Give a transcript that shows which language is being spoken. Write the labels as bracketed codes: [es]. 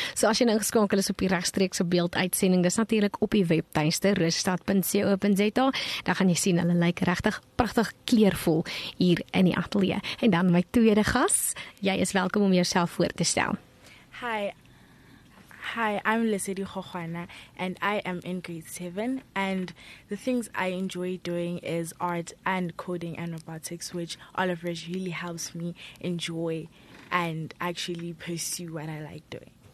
[af] So as jy nou ingeskakel is op die regstreekse beelduitsending, dis natuurlik op die webtuiste russtad.co.za, dan gaan jy sien, hulle lyk regtig pragtig kleurvol hier in die ateljee. En dan my tweede gas, jy is welkom om jouself voor te stel. [en] Hi, I'm Lesedi Khokhwana and I am in grade 7, and the things I enjoy doing is art and coding and robotics, which Olive Ridge really helps me enjoy and actually pursue what I like doing.